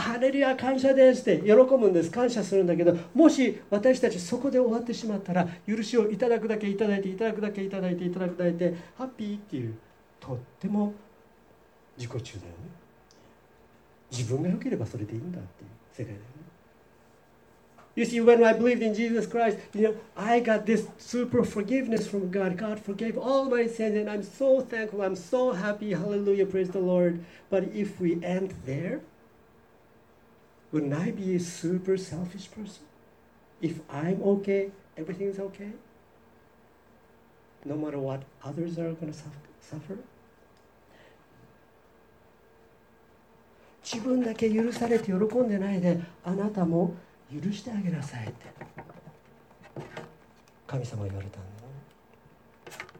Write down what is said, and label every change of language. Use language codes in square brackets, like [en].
[ja] ハレルヤ、感謝ですって喜ぶんです。感謝するんだけど、もし私たちそこで終わってしまったら、許しをいただくだけいただいて、いただくだけいただいて、いただくだけ、ハッピーっていう、とっても自己中だよね。自分が良ければそれでいいんだっていう世界だよね。 [en] You see, when I believed in Jesus Christ, you know, I got this super forgiveness from God. God forgave all my sins, and I'm so thankful. I'm so happy. Hallelujah. Praise the Lord. But if we end there, wouldn't I be a super selfish person? If I'm okay, everything's okay? No matter what others are going to suffer? [ja] 自分だけ許されて喜んでないで、あなたも許してあげなさいって神様は言われたんだ。